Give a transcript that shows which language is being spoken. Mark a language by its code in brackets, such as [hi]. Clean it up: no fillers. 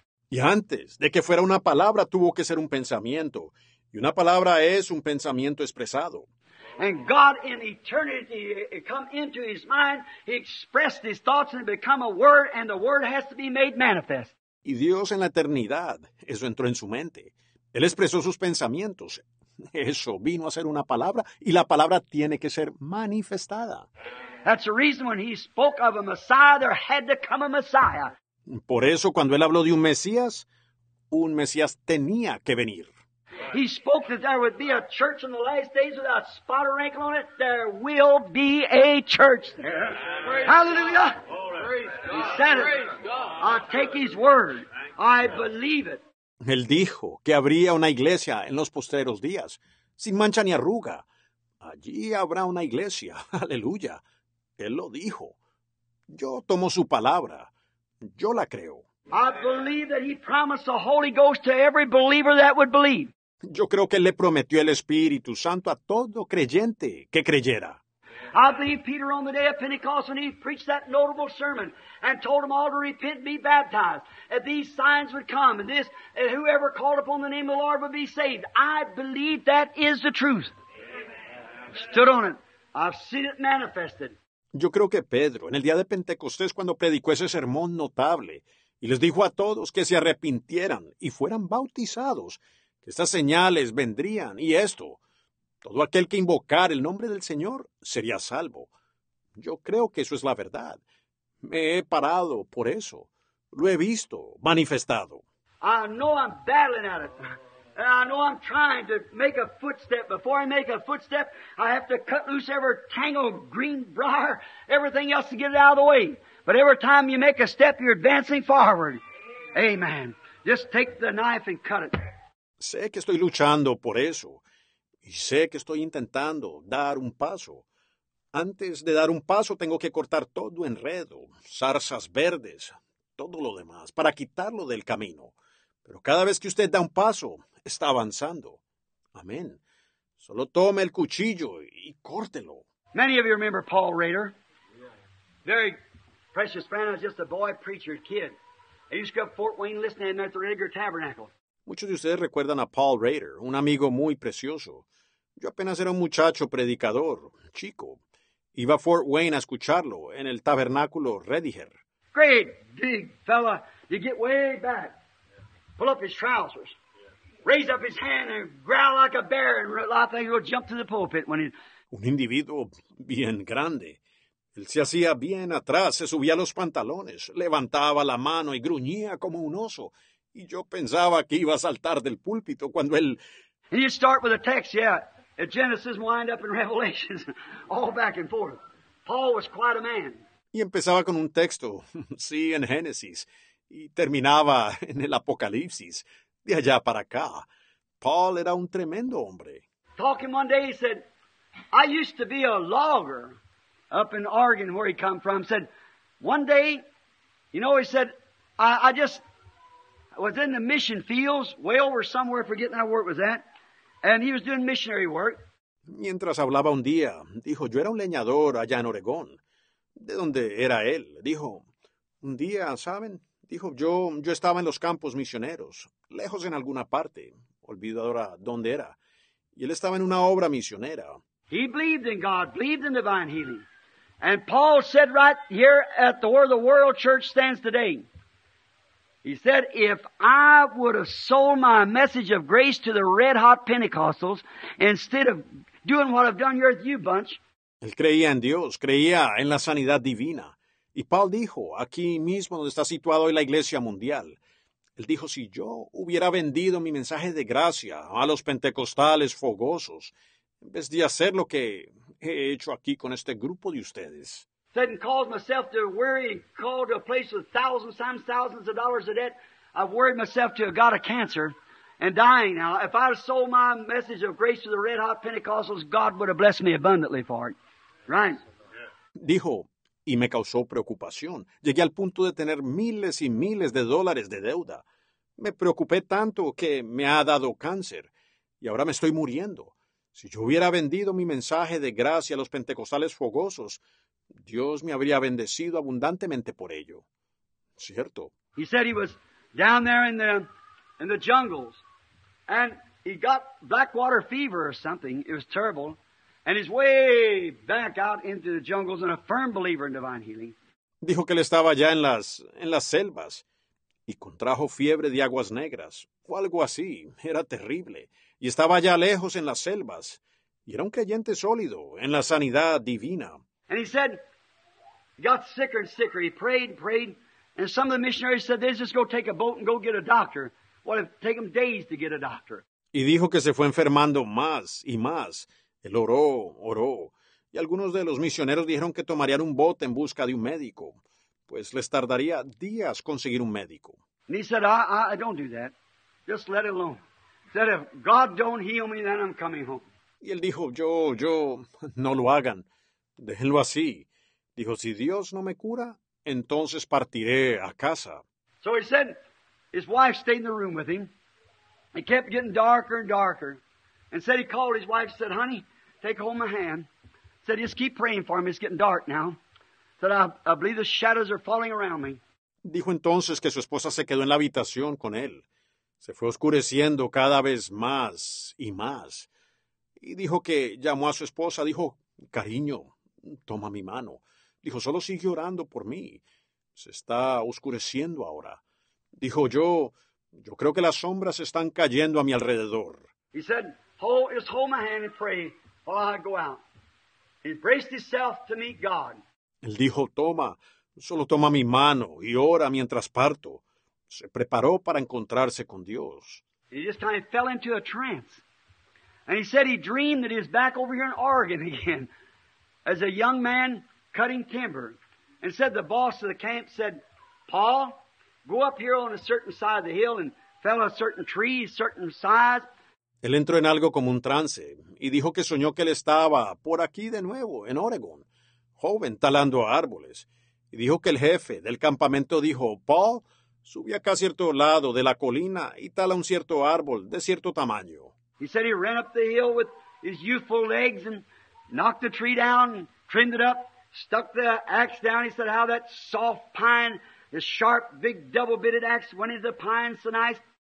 [es] Y antes de que fuera una palabra, tuvo que ser un pensamiento. Y una palabra es un pensamiento expresado. [en] And God in eternity come into his mind, he expressed his thoughts and become a word, and the word has to be made manifest. [es] Y Dios en la eternidad, eso entró en su mente. Él expresó sus pensamientos. Eso vino a ser una palabra, y la palabra tiene que ser manifestada. [en] That's the reason when he spoke of a Messiah, there had to come a Messiah. [es] Por eso, cuando él habló de un Mesías tenía que venir. [en] He spoke that there would be a church in the last days without spot or wrinkle on it. There will be a church there. Yeah. Hallelujah. God. He said it. I take his word. I believe it. [es] Él dijo que habría una iglesia en los postreros días, sin mancha ni arruga. Allí habrá una iglesia. Aleluya. Él lo dijo. Yo tomo su palabra. Yo la creo. [en] I believe that he promised the Holy Ghost to every believer that would believe. [es] Yo creo que él le prometió el Espíritu Santo a todo creyente que creyera. [en] I believe Peter on the day of Pentecost when he preached that notable sermon and told them all to repent and be baptized, that these signs would come and this, and whoever called upon the name of the Lord would be saved. I believe that is the truth. Amen. Stood on it. I've seen it manifested. [es] Yo creo que Pedro, en el día de Pentecostés, cuando predicó ese sermón notable y les dijo a todos que se arrepintieran y fueran bautizados, que estas señales vendrían y esto, todo aquel que invocar el nombre del Señor sería salvo. Yo creo que eso es la verdad. Me he parado por eso. Lo he visto, manifestado. [en] I know I'm battling at it. And I know I'm trying to make a footstep. Before I make a footstep, I have to cut loose every tangled green briar, everything else to get it out of the way. But every time you make a step, you're advancing forward. Amen. Just take the knife and cut it. [es] Sé que estoy luchando por eso. Y sé que estoy intentando dar un paso. Antes de dar un paso, tengo que cortar todo enredo, zarzas verdes, todo lo demás, para quitarlo del camino. Pero cada vez que usted da un paso, está avanzando. Amén. Solo tome el cuchillo y córtelo. [en] Many of you remember Paul Rader. Very precious friend. I was just a boy preacher kid. I used to go to Fort Wayne listening at the Rader Tabernacle. [es] Muchos de ustedes recuerdan a Paul Rader, un amigo muy precioso. Yo apenas era un muchacho predicador, chico. Iba a Fort Wayne a escucharlo en el tabernáculo Rediger. [en] Great big fella. You get way back. Pull up his trousers. Raise up his hand and growl like a bear and I think he'll jump to the pulpit when he... [es] Un individuo bien grande. Él se hacía bien atrás, se subía los pantalones, levantaba la mano y gruñía como un oso. Y yo pensaba que iba a saltar del púlpito cuando él... [en] And you start with a text, yeah. At Genesis, wind up in Revelations. All back and forth. Paul was quite a man. [es] Y empezaba con un texto, sí, en Génesis. Y terminaba en el Apocalipsis, de allá para acá. Paul era un tremendo hombre. [en] Talking one day, he said, I used to be a logger up in Oregon, where he come from. Said, one day, you know, he said, I just... I was in the mission fields, way over somewhere, forgetting how where it was at, and he was doing missionary work. [es] Mientras hablaba un día, dijo, yo era un leñador allá en Oregón. ¿De dónde era él? Dijo, un día, ¿saben? Dijo, yo estaba en los campos misioneros, lejos en alguna parte, olvido ahora dónde era, y él estaba en una obra misionera. [en] He believed in God, believed in divine healing. And Paul said right here at the where the world church stands today, he said, if I would have sold my message of grace to the red-hot Pentecostals instead of doing what I've done here with you bunch. [es] Él creía en Dios, creía en la sanidad divina. Y Paul dijo, aquí mismo donde está situado hoy la iglesia mundial, él dijo, si yo hubiera vendido mi mensaje de gracia a los pentecostales fogosos, en vez de hacer lo que he hecho aquí con este grupo de ustedes. [en] Said and caused myself to worry and called to a place with thousands, times thousands of dollars of debt. I've worried myself to have got a cancer and dying now. If I had sold my message of grace to the red hot Pentecostals, God would have blessed me abundantly for it. Right? [es] Dijo, y me causó preocupación. Llegué al punto de tener miles y miles de dólares de deuda. Me preocupé tanto que me ha dado cáncer y ahora me estoy muriendo. Si yo hubiera vendido mi mensaje de gracia a los pentecostales fogosos, Dios me habría bendecido abundantemente por ello. ¿Cierto? [en] He said he was down there in the jungles, and he got blackwater fever or something. It was terrible. And he's way back out into the jungles and a firm believer in divine healing. [es] Dijo que él estaba allá en las selvas y contrajo fiebre de aguas negras o algo así. Era terrible. Y estaba allá lejos en las selvas. Y era un creyente sólido en la sanidad divina. [en] And he said, he got sicker and sicker. He prayed and prayed. And some of the missionaries said, they just go take a boat and go get a doctor. What if it take them days to get a doctor? [es] Y dijo que se fue enfermando más y más. Él oró, oró. Y algunos de los misioneros dijeron que tomarían un bote en busca de un médico. Pues les tardaría días conseguir un médico. [en] And he said, I don't do that. Just let it alone. He said, if God don't heal me, then I'm coming home. [es] Y él dijo, yo, no lo hagan. Déjenlo así. Dijo, si Dios no me cura, entonces partiré a casa. [en] So he said, his wife stayed in the room with him. It kept getting darker and darker. And said he called his wife and said, honey, take hold my hand. Said, just keep praying for me. It's getting dark now. Said, I believe the shadows are falling around me. [es] Dijo entonces que su esposa se quedó en la habitación con él. Se fue oscureciendo cada vez más y más. Y dijo que llamó a su esposa. Dijo, cariño, toma mi mano. Dijo, solo sigue orando por mí. Se está oscureciendo ahora. Dijo, yo creo que las sombras están cayendo a mi alrededor. [en] He said, hold my hand and pray while I go out. He braced himself to meet God. [es] Él dijo, toma, Solo toma mi mano y ora mientras parto. Se preparó para encontrarse con Dios. [en] He just kind of fell into a trance. And he said he dreamed that he was back over here in Oregon again as a young man cutting timber. And said the boss of the camp said, Paul, go up here on a certain side of the hill and fell a certain tree, certain size. [es] Él entró en algo como un trance y dijo que soñó que él estaba por aquí de nuevo, en Oregon, joven, talando árboles. Y dijo que el jefe del campamento dijo, Paul, subí acá a cierto lado de la colina y tala un cierto árbol de cierto tamaño. [en] He said he ran up the hill with his youthful legs and knocked the tree down, trimmed it up, stuck the axe down. He said how that soft pine, this sharp, big, double-bitted axe went into the pine so nice.